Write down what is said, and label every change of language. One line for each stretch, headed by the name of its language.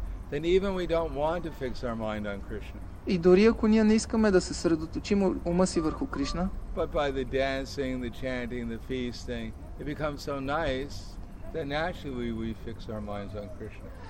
English: Then even we don't want to fix our mind on Krishna.
Bulgarian: И дори ако ние не искаме да се съсредоточим ума си върху Кришна.
English: But by the dancing, the chanting, the feasting, it becomes so nice that naturally we fix our minds on Krishna.